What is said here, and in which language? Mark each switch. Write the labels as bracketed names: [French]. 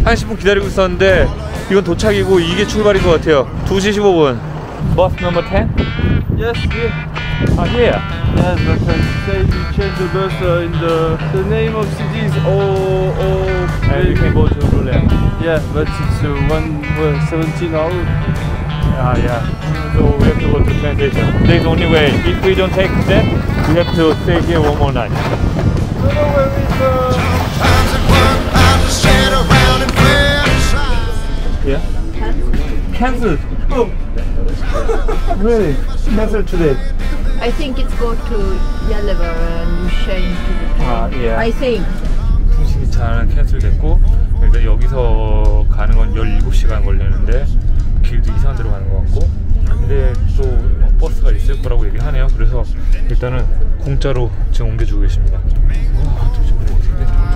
[Korean] 한 10분 기다리고 있었는데 이건 도착이고 이게 출발인 것 같아요. 2시 15분. [English] Bus number 10? Yes, here. Ah, here? Yes, but I say you change the bus in the name of city is O... And you can go to Lule. Yeah, but it's 17 hours. Yeah, yeah. So we have to go to transition. There's only way. If we don't take that, we have to stay here one more night. Yeah? Cancelled? Oh! Really? Cancelled today? I think it's go to Yelever and change to the train. I think. [Korean] 통신이 잘 캔슬됐고 일단 여기서 가는 건 17시간 걸리는데 길도 이상한 데로 가는 것 같고 근데 또 버스가 있을 거라고 얘기하네요. 그래서 일단은 공짜로 지금 옮겨주고 계십니다. 와, 도대체 뭐 같은데?